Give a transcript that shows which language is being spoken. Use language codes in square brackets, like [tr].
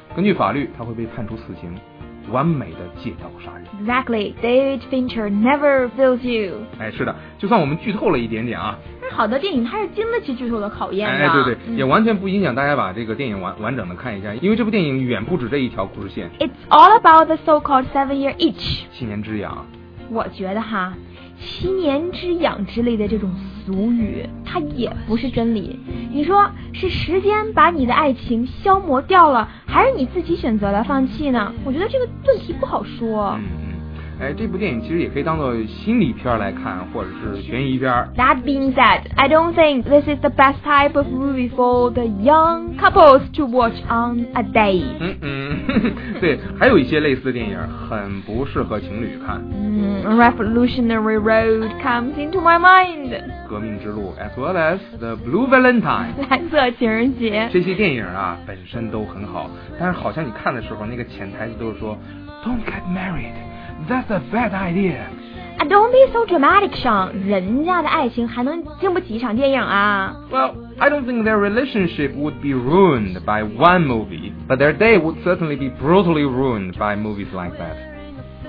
[zh] 根据法律，她会被判处死刑，完美的借刀杀人。 [en] Exactly, David Fincher never fails you. [zh] 哎，是的，就算我们剧透了一点点啊，但好的电影它是经得起剧透的考验的。哎，对对，也完全不影响大家把这个电影完整的看一下，因为这部电影远不止这一条故事线。 [en] It's all about the so-called seven-year itch. [zh] 七年之痒。我觉得哈。七年之痒之类的这种俗语它也不是真理，你说是时间把你的爱情消磨掉了，还是你自己选择了放弃呢？我觉得这个问题不好说。哎，这部电影其实也可以当做心理片来看，或者是悬疑片。 [en] That being said, I don't think this is the best type of movie for the young couples to watch on a date. [zh] 对，还有一些类似的电影很不适合情侣看。 [en] Revolutionary Road comes into my mind. 革命之路 as well as the Blue Valentine. [zh] 蓝色情人节。这些电影啊本身都很好，但是好像你看的时候那个潜台词都是说 [en] Don't get married. That's a bad idea. Don't be so dramatic, Sean. [zh] 人家的爱情还能经不起一场电影啊？ [en] Well, I don't think their relationship would be ruined by one movie, but their day would certainly be brutally ruined by movies like that.